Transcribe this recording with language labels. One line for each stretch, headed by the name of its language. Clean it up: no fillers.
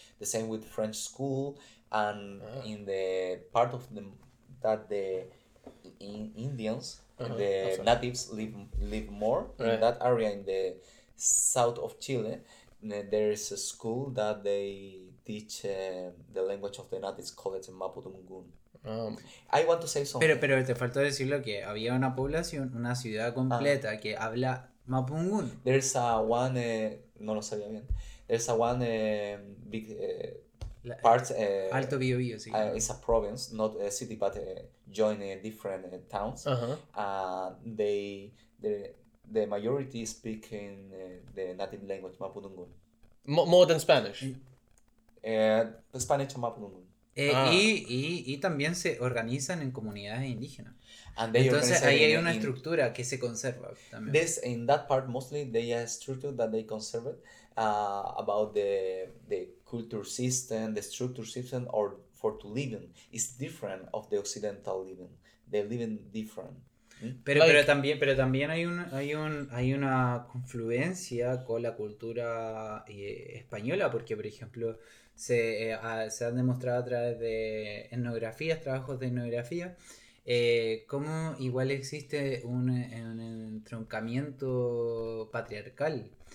English: The same with French school and in the part of them that the Indians, I'm the sorry. natives live more in Right. that area in the south of Chile. There is a school that they teach the language of the natives called Mapudungun. I want to say something.
Spanish: Pero te faltó decirlo que había una población, una ciudad completa que habla mapungún.
English: There's a one,
Spanish: no lo sabía bien.
English: There's a one big part
Spanish: Alto Bio Bio, sí.
English: It's a province, not a city, but joining different towns. The majority speak in the native language Mapudungun. More than Spanish. Spanish Mapudungun.
Spanish: Y también se organizan en comunidades indígenas. Entonces ahí hay una estructura que se conserva también.
English: This in that part mostly they are structured that they conserve about the culture system, the structure system or for to living is different of the occidental living. They living different.
Spanish: Pero like, pero también hay una confluencia con la cultura española, porque por ejemplo se han demostrado a través de etnografías, trabajos de etnografía, cómo igual existe un entroncamiento patriarcal.